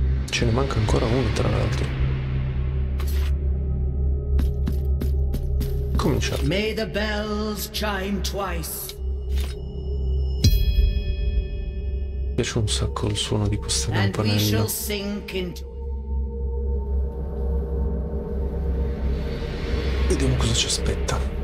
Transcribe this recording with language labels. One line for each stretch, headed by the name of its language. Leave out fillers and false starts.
Italian: Ce ne manca ancora uno tra l'altro.
English: May the bells chime twice.
Italian: Mi piace un sacco il suono di questa campanella.
English: And we shall sink into...
Italian: Vediamo cosa ci aspetta.